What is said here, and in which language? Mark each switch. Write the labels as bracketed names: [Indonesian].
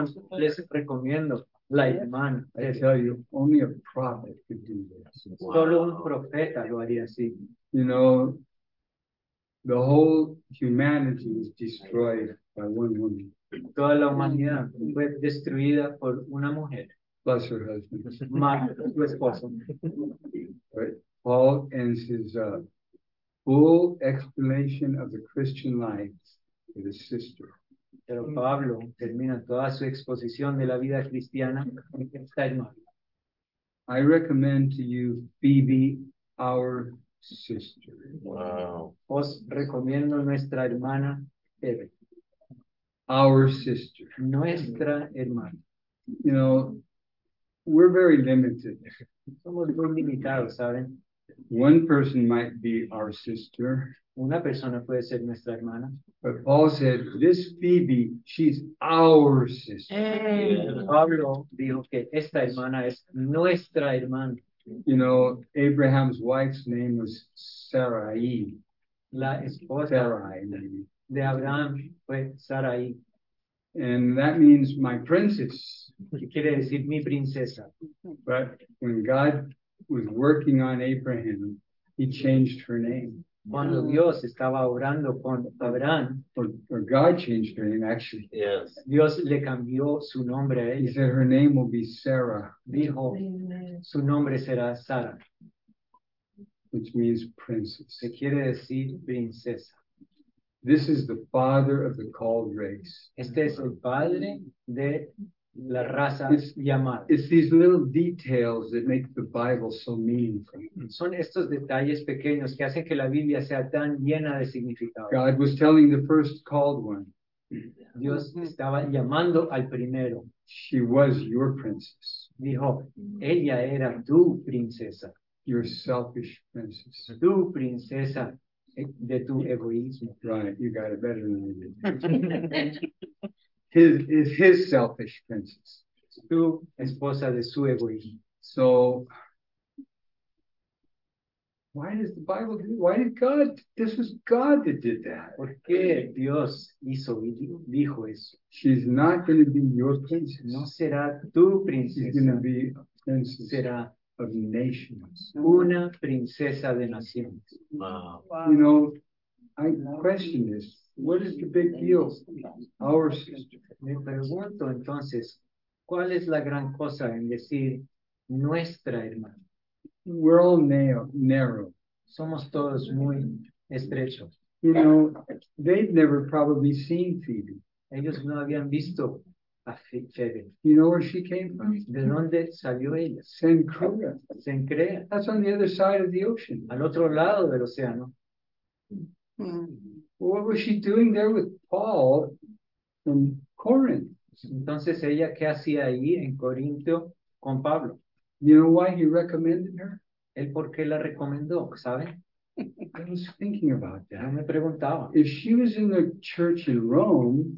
[Spanish] Les recomiendo la hermana. [English] I tell you, only a prophet could do this. [Spanish] Solo un profeta lo haría así. [English] You know, the whole humanity was destroyed by one woman. [Spanish] Toda la humanidad fue destruida por una mujer. [English] Plus her husband. [Spanish] Más su esposo. [English] Paul ends his full explanation of the Christian life with a sister. [Spanish] Pero Pablo termina toda su exposición de la vida cristiana con esta hermana. [English] I recommend to you Phoebe, our sister. Wow. [Spanish] Os recomiendo nuestra hermana Phoebe. [English] Our sister. [Spanish] Nuestra hermana. [English] You know, we're very limited. [Spanish] Somos muy limitados, ¿saben? [English] One person might be our sister. [Spanish] Una persona puede ser nuestra hermana. [English] But Paul said, this Phoebe, she's our sister. Hey. [Spanish] Pablo dijo que esta hermana es nuestra hermana. [English] You know, Abraham's wife's name was Sarai. [Spanish] La esposa [English] Sarai, maybe. [Spanish] De Abraham fue Sarai. [English] And that means my princess. [Spanish] ¿Qué quiere decir mi princesa? [English] But when God was working on Abraham, he changed her name. [Spanish] Cuando Dios estaba orando con Abraham, [English] or God changed her name actually. Yes. [Spanish] Dios le cambió su nombre a ella. [English] He said her name will be Sarah. [Spanish] Dijo, su nombre será Sara. [English] Which means princess. [Spanish] Que quiere decir princesa. [English] This is the father of the called race. [Spanish] Este es el padre de la raza llamada. [English] It's these little details that make the Bible so meaningful. [Spanish] Son estos detalles pequeños que hacen que la Biblia sea tan llena de significado. [English] God was telling the first called one. [Spanish] Dios estaba llamando al primero. [English] She was your princess. [Spanish] Dijo, ella era tu princesa. [English] Your selfish princess. [Spanish] Tu princesa de tu egoísmo. [English] Right, you got it better than I did. His selfish princess. [Spanish] Tu esposa de su egoísmo. [English] So, why does the Bible do? Why did God? This was God that did that. [Spanish] ¿Por qué Dios hizo y dijo eso? [English] She's not going to be your princess. [Spanish] No será tu princesa. [English] She's going to be a princess. [Spanish] Será [English] of nations. [Spanish] Una princesa de naciones. [English] Wow. You know, I question this. What is the big deal? Our sister. [Spanish] Me pregunto entonces, ¿cuál es la gran cosa en decir nuestra hermana? [English] We're all narrow. [Spanish] Somos todos muy estrechos. [English] You know, they've never probably seen Phoebe. [Spanish] Ellos no habían visto a Phoebe. [English] You know where she came from? [Spanish] ¿De dónde salió ella? Sencrea. [English] That's on the other side of the ocean. [Spanish] Al otro lado del océano. [English] Well, what was she doing there with Paul from Corinth? [Spanish] Entonces, ¿ella qué hacía ahí en Corinto con Pablo? [English] You know why he recommended her? [Spanish] ¿Él por qué la recomendó, sabe? [English] I was thinking about that. [Spanish] Yo me preguntaba. [English] If she was in the church in Rome,